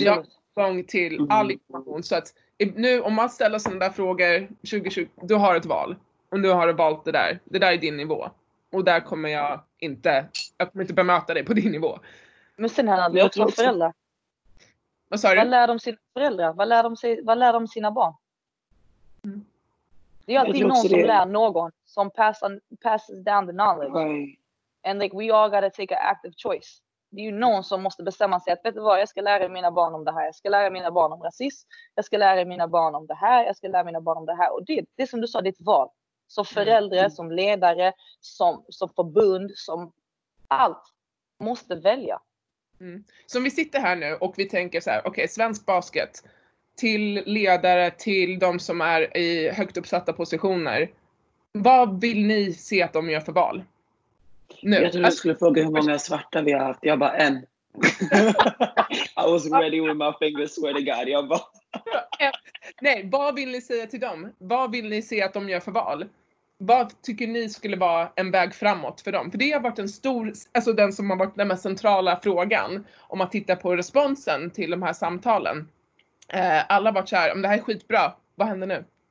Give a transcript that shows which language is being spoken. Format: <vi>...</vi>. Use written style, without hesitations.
<sv>Vi har tillgång till all information, så att nu om man ställer sådana där frågor 2020, du har ett val och du har valt det där är din nivå. Och där kommer jag kommer inte bemöta dig på din nivå. Men sen här det också föräldrar. Vad sa du? Vad lär de sina föräldrar? Vad lär de sina barn? Det är alltid någon som lär någon. Som</sv> <en>passes down the knowledge. Right. And like we all gotta take an active choice.</en> <sv>Det är ju någon som måste bestämma sig. Att vet du vad, jag ska lära mina barn om det här. Jag ska lära mina barn om rasism. Jag ska lära mina barn om det här. Jag ska lära mina barn om det här. Och det som du sa, ditt val. Som föräldrar, som ledare, som förbund, som allt måste välja. Så om vi sitter här nu och vi tänker så här, okej, svensk basket till ledare, till de som är i högt uppsatta positioner. Vad vill ni se att de gör för val? Nu. Jag tror du skulle fråga hur många svarta vi har haft. Jag bara en.</sv> <en>I was ready with my fingers, swear to God.</en> <sv>Jag bara... Nej, vad vill ni säga till dem? Vad vill ni se att de gör för val? Vad tycker ni skulle vara en väg framåt för dem? För det har varit en stor, alltså den som har varit den mest centrala frågan. Om man tittar på responsen till de här samtalen. Alla har varit så här, om det här är skitbra, vad händer nu?</sv>